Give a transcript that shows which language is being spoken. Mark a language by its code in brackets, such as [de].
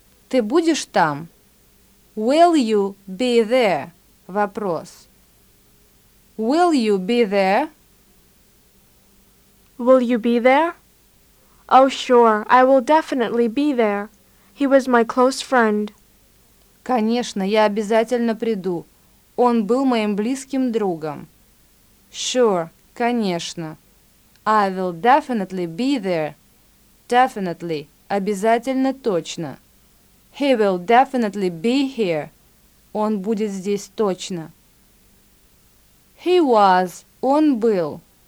[ru] Ты будешь там? [en] Will you be there? [ru] Вопрос. [en] Will you be there? Will you be there? Oh, sure, I will definitely be there. He was my close friend. [ru] Конечно, я обязательно приду. Он был моим близким другом. [en] Sure, [ru] конечно. [en] I will definitely be there. Definitely, [ru] обязательно, точно. [en] He will definitely be here. [ru] Он будет здесь точно. [en] He was, [ru] он был.